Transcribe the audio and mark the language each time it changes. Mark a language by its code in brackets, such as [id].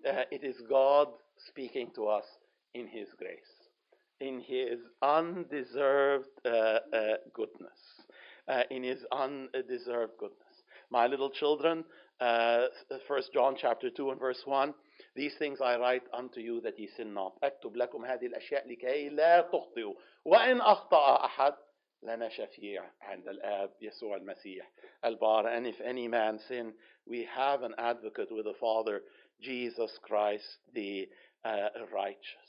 [en] It is God speaking to us in his grace, in his undeserved goodness, in his undeserved goodness. My little children, 1 John chapter 2 and verse 1, these things I write unto you that ye sin not. [ar] أكتب لكم هذه الأشياء لكي لا تخطئوا. وإن أخطأ أحد لنا شفيع عند الآب يسوع المسيح البار. [en] And if any man sin, we have an advocate with the Father, Jesus Christ, the righteous.